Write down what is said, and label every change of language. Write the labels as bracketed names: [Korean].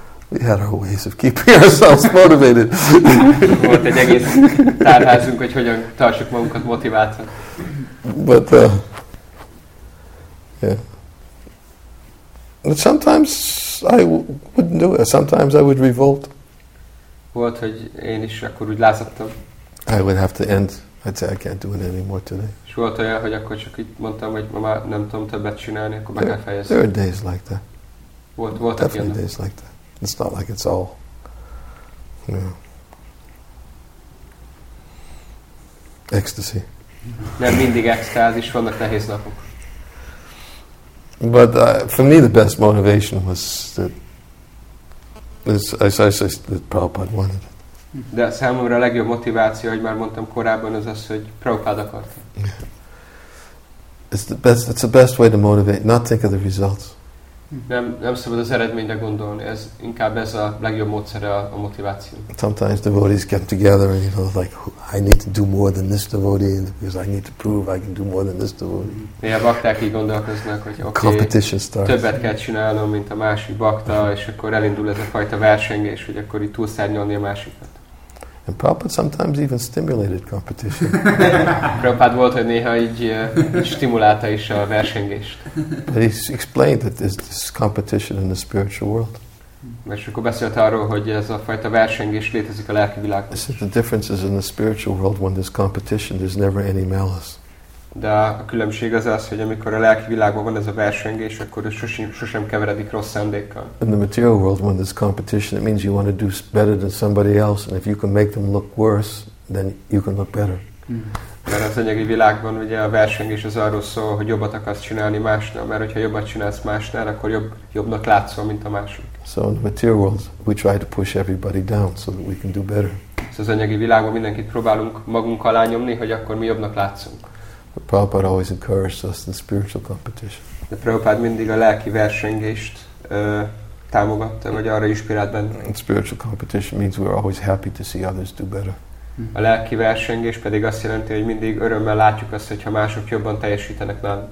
[English] We had our ways of keeping ourselves motivated. [Hungarian] Volt egy egész tárházunk, hogy hogyan tartsuk magunkat motiváltan. [English] But, yeah. But sometimes I wouldn't do it. Sometimes I would revolt. [Hungarian] Volt, hogy én is akkor úgy lázadtam. [English] I would have to end. I'd say I can't do it anymore today. [Hungarian] És volt olyan, hogy akkor csak így mondtam, hogy ma nem tudom többet csinálni, akkor meg kell fejezni. [English] There are days like that. [Hungarian] Volt [English] definitely [Hungarian] ilyen [English] days like that. It's not like it's all. You know, ecstasy. [Hungarian] Nem mindig extázis, vannak nehéz napok. [English] But for me the best motivation was that I that Prabhupada wanted it. [Hungarian] De számomra a legjobb motiváció, hogy már mondtam korábban, az az, hogy Prabhupada akarta. [English] Yeah. It's the best way to motivate, not think of the results. [Hungarian] Nem szabad az eredményre gondolni. Ez inkább ez a legjobb módszere a motiváció. [English] Sometimes devotees get together and you know, like I need to do more than this devotee because I need to prove I can do more than this devotee. [Hungarian] Néha bakták így gondolkoznak, hogy okay, [English] competition starts. [Hungarian] Többet kell csinálnom, mint a másik bakta, és akkor elindul ez a fajta versengés, hogy akkor itt túlszárnyolni a másikat. [English] And Prabhupada sometimes even stimulated competition. [Hungarian] Prabhupada volt, hogy néha így stimulálta is a versengést. [English] But he explained that this competition in the spiritual world. [Hungarian] És akkor beszélt arról, hogy ez a fajta versengés létezik a lelki világban. [English] Said the difference is in the spiritual world when there's competition, there's never any malice. [Hungarian] De a különbség az az, hogy amikor a lelki világban van ez a versengés, akkor ez sosem keveredik rossz szándékkal. [English] In the material world, when there's competition, it means you want to do better than somebody else, and if you can make them look worse, then you can look better. [Hungarian] Mert az anyagi világban ugye a versengés az arról szól, hogy jobbat akarsz csinálni másnál, mert hogyha jobbat csinálsz másnál, akkor jobbnak látszol, mint a másik. [English] So in the material world, we try to push everybody down so that we can do better. [Hungarian] Szóval az anyagi világban mindenkit próbálunk magunk alá nyomni, hogy akkor mi jobbnak látszunk. [English] But Prabhupada always encouraged us in spiritual competition. [Hungarian] De Prabhupada mindig a lelki versengést támogatta, vagy arra inspirált benne. [English] And spiritual competition means we're always happy to see others do better. [Hungarian] A lelki versengés pedig azt jelenti, hogy mindig örömmel látjuk azt, hogyha mások jobban teljesítenek nálunk.